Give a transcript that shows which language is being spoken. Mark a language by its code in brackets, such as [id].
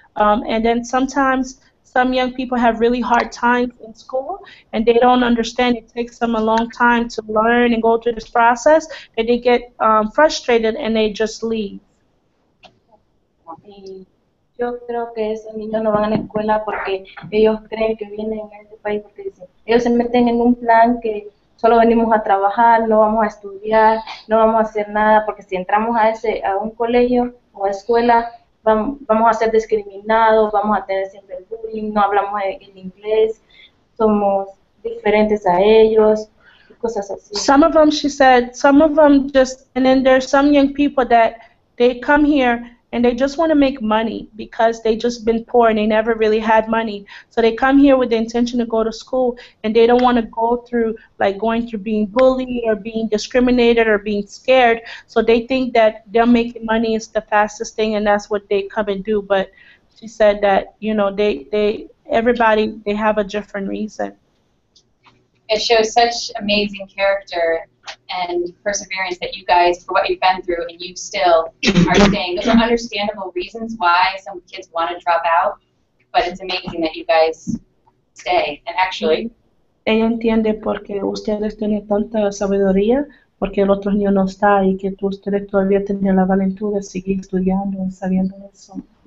[en] And then sometimes some young people have really hard times in school, and they don't understand. It takes them a long time to learn and go through this process, and they get frustrated and they just leave. [es] Y yo creo que esos niños no van a la escuela porque ellos creen que vienen a este país porque dicen, ellos se meten en un plan que solo venimos a trabajar, no vamos a estudiar, no vamos a hacer nada, porque si entramos a un colegio o a escuela, vamos a ser discriminados, vamos a tener siempre el bullying, no hablamos en inglés, somos diferentes a ellos, cosas así. [en] Some of them, she said, some of them just, and then there's some young people that they come here and they just want to make money because they just been poor and they never really had money. So they come here with the intention to go to school and they don't want to go through like going through being bullied or being discriminated or being scared. So they think that they're making money is the fastest thing and that's what they come and do. But she said that, you know, everybody, they have a different reason. It shows such amazing character and perseverance that you guys, for what you've been through, and you still are saying those are understandable reasons why some kids want to drop out, but it's amazing that you guys stay, and actually. [es] ella entiende porque ustedes tienen tanta sabiduría porque el otro niño no está y que tú, ustedes todavía tienen la valentía de seguir estudiando y sabiendo eso.